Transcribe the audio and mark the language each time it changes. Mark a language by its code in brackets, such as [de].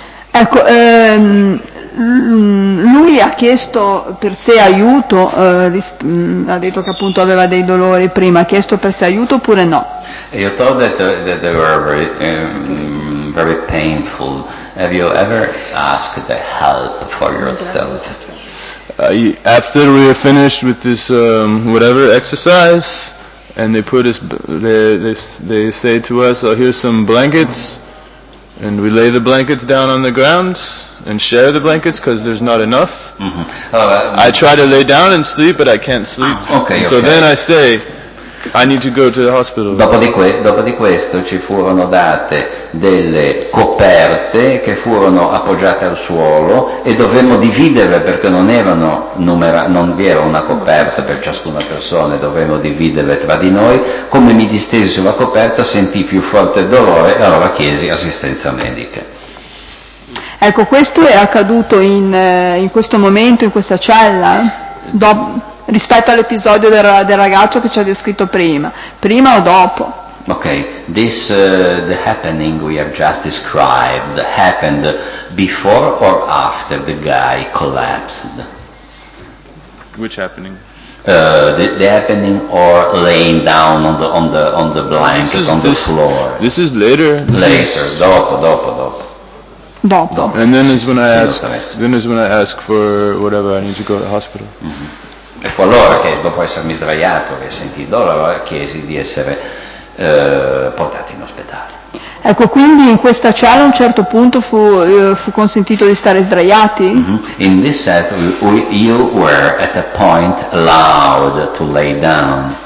[it] Ecco, lui ha chiesto per sé aiuto, ha detto che appunto aveva dei dolori prima, ha chiesto per sé aiuto oppure no? [en] You thought that they were very, very painful. Have you ever asked the help for yourself? After we were finished with this whatever exercise, and they put us, they say to us, "Oh, here's some blankets," and we lay the blankets down on the ground and share the blankets because there's not enough. Mm-hmm. I try to lay down and sleep, but I can't sleep. Okay. So then I say, I need to go to the hospital. [it] Dopo di questo ci furono date delle coperte che furono appoggiate al suolo e dovemmo dividere perché non vi era una coperta per ciascuna persona, dovemmo dividere tra di noi. Come mi distesi sulla coperta sentì più forte il dolore e allora chiesi assistenza medica. Ecco, questo è accaduto in questo momento, in questa cella? Rispetto all'episodio del ragazzo che ci ha descritto prima o dopo? [en] Okay, this the happening we have just described happened before or after the guy collapsed? which happening? The happening or laying down on the blanket on the floor. This is later. [it] Dopo. [en] And then is when I ask. Then is when I ask for whatever. I need to go to the hospital. [it] Mm-hmm. E fu allora che dopo essermi sdraiato che sentì dolore chiesi di essere portato in ospedale. Ecco, quindi in questa cella a un certo punto fu consentito di stare sdraiati? Mm-hmm. [en] In this set you were at a point allowed to lay down.